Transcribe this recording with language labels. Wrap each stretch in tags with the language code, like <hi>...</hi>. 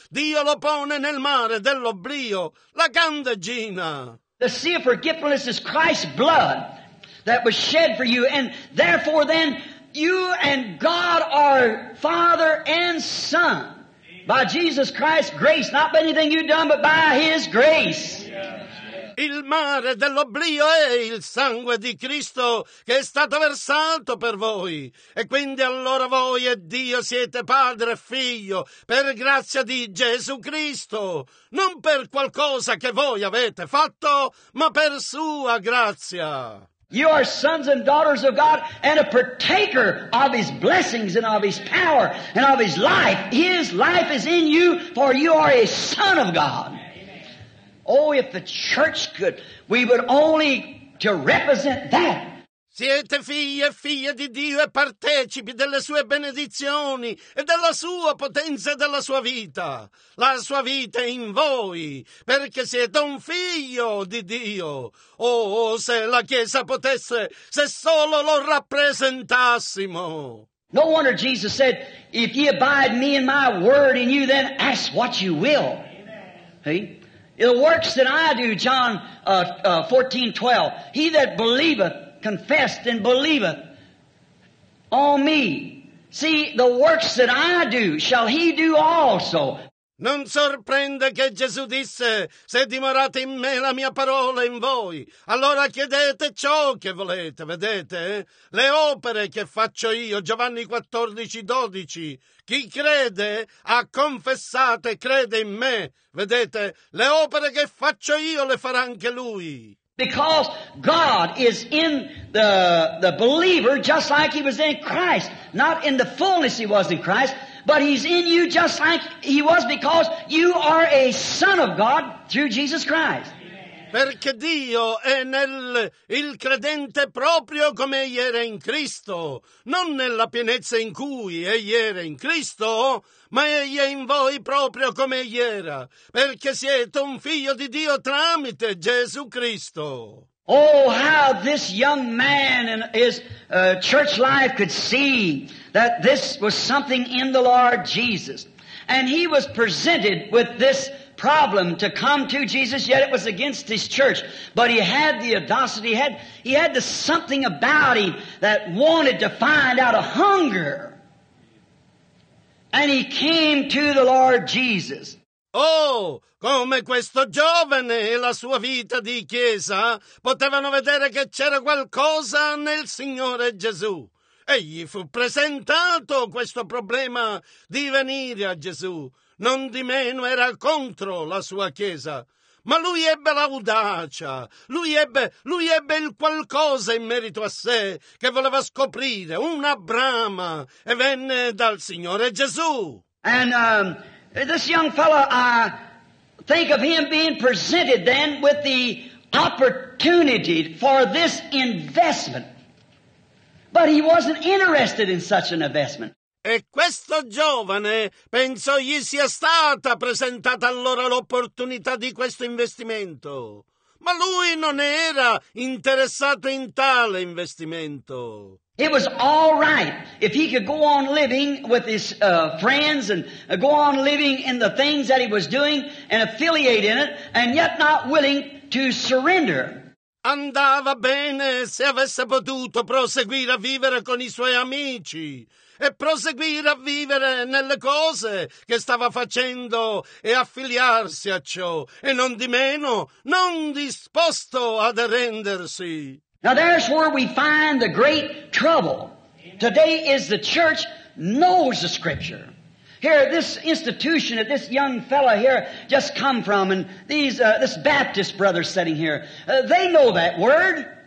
<it>Dio lo pone nel mare dell'oblio, la candeggina.</it> <en>The sea of forgiveness is Christ's blood that was shed for you, and therefore then, you and God are Father and Son by Jesus Christ's grace, not by anything you've done, but by His grace.</en> <it>Il mare dell'oblio è il sangue di Cristo che è stato versato per voi. E quindi allora voi e Dio siete padre e figlio per grazia di Gesù Cristo. Non per qualcosa che voi avete fatto, ma per sua grazia.</it> <en>You are sons and daughters of God and a partaker of His blessings and of His power and of His life. His life is in you, for you are a son of God. Oh, if the church could, we would only to represent that.</en> <it>Siete figli e figlie di Dio e partecipi delle sue benedizioni e della sua potenza e della sua vita. La sua vita è in voi, perché siete un figlio di Dio. Oh, se la Chiesa potesse, se solo lo rappresentassimo.</it> <en>No wonder Jesus said, if ye abide me and my word in you, then ask what you will. Amen. Hey? The works that I do, John 14:12, he that believeth, confessed and believeth on me. See, the works that I do, shall he do also.</en> <it>Non sorprende che Gesù disse, se dimorate in me la mia parola in voi, allora chiedete ciò che volete, vedete? Le opere che faccio io, Giovanni 14:12, chi crede ha confessato e crede in me, vedete? Le opere che faccio io le farà anche lui.</it> <en>Because God is in the believer just like he was in Christ. Not in the fullness he was in Christ, but he's in you just like he was, because you are a son of God through Jesus Christ.</en> <it>Perché Dio è nel il credente proprio come egli era in Cristo, non nella pienezza in cui egli era in Cristo, ma egli è in voi proprio come egli era, perché siete un figlio di Dio tramite Gesù Cristo.</it> <en>Oh, how this young man and his church life could see that this was something in the Lord Jesus. And he was presented with this problem to come to Jesus, yet it was against his church. But he had the audacity, he had the something about him that wanted to find out, a hunger. And he came to the Lord Jesus.</en> <it>Oh, come questo giovane e la sua vita di chiesa potevano vedere che c'era qualcosa nel Signore Gesù. Egli fu presentato questo problema di venire a Gesù. Non di meno era contro la sua chiesa, ma lui ebbe l'audacia, lui ebbe il qualcosa in merito a sé che voleva scoprire, una brama, e venne dal Signore Gesù.</it> <en>And this young fellow, I think of him being presented then with the opportunity for this investment, but he wasn't interested in such an investment.</en> <it>E questo giovane, penso gli sia stata presentata allora l'opportunità di questo investimento. Ma lui non era interessato in tale investimento.</it> <en>It was all right if he could go on living with his friends and go on living in the things that he was doing and affiliate in it, and yet not willing to surrender.</en> <it>Andava bene se avesse potuto proseguire a vivere con i suoi amici e proseguire a vivere nelle cose che stava facendo e affiliarsi a ciò, e non di meno non disposto ad arrendersi.</it> <en>Now there's where we find the great trouble. Today is the church knows the scripture. Here, this institution that this young fellow here just come from, and this Baptist brother sitting here, they know that word.</en>